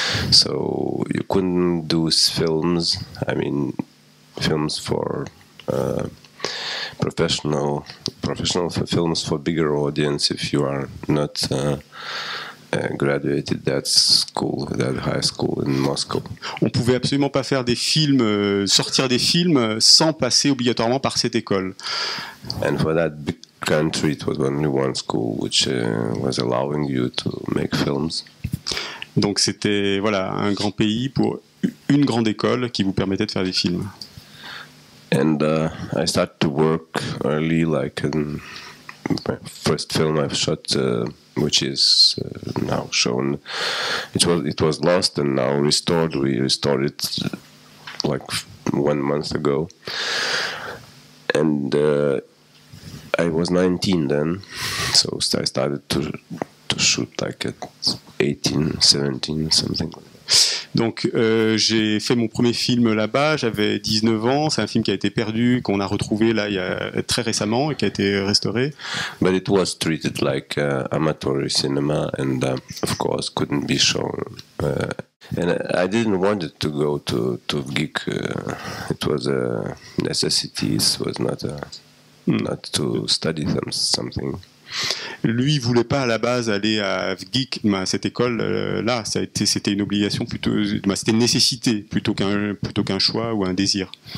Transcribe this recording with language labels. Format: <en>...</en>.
<en>So you couldn't do films. I mean, films for professional films for bigger audience if you are not graduated that school, that high school in Moscow.</en> <fr>On pouvait absolument pas faire des films, sortir des films sans passer obligatoirement par cette école.</fr> <en>And for that big country it was only one school which was allowing you to make films.</en> <fr>Donc c'était voilà un grand pays pour une grande école qui vous permettait de faire des films.</fr> <en>And I started to work early, like in my first film I've shot, which is now shown. It was lost and now restored. We restored it like 1 month ago. And I was 19 then, so I started to shoot like at 18, 17, something like that.</en> <fr>Donc j'ai fait mon premier film là-bas, j'avais 19 ans, c'est un film qui a été perdu, qu'on a retrouvé là il y a très récemment et qui a été restauré.</fr> <en>But it was treated like amateur cinema and of course couldn't be shown. And I didn't want to go to geek. It was a necessity, it was not a, not to study something.</en> <fr>Lui ne voulait pas à la base aller à geek, mais à cette école là, c'était une obligation plutôt, c'était une nécessité plutôt qu'un choix ou un désir.</fr>